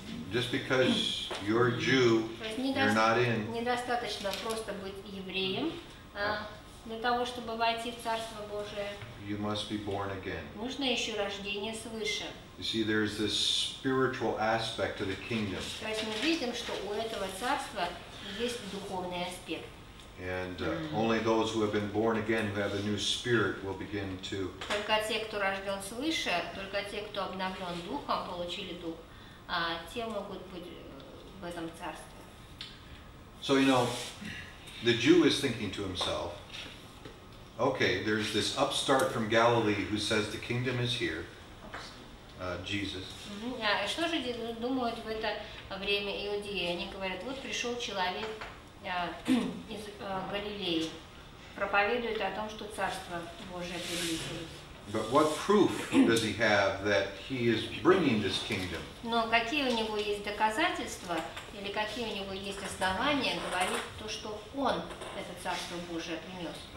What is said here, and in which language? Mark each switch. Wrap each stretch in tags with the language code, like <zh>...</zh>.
<en>Just because you're a Jew, you're not in.</en> <ru>Недостаточно просто быть евреем для того, чтобы войти в Царство Божие.</ru> <en>You must be born again.</en> <ru>Нужно еще рождение свыше.</ru> <en>You see, there's this spiritual aspect of the kingdom.</en> <ru>То есть мы видим, что у этого царства есть духовный аспект.</ru> <en>And only those who have been born again, who have a new spirit, will begin to.</en> <ru>Только те, кто рожден свыше, только те, кто обновлен духом, получили дух. Те могут быть в этом царстве.</ru> <en>So you know, the Jew is thinking to himself, okay, there's this upstart from Galilee who says the kingdom is here, Jesus. Mm-hmm.</en> <ru>Что же думают в это время иудеи? Они говорят, вот пришел человек из Галилеи, проповедует о том, что Царство Божие приблизилось.</ru> <en>But what proof does he have that he is bringing this kingdom?</en> <ru>Но какие у него есть доказательства или какие у него есть основания говорить то, что он это царство Божие принес?</ru>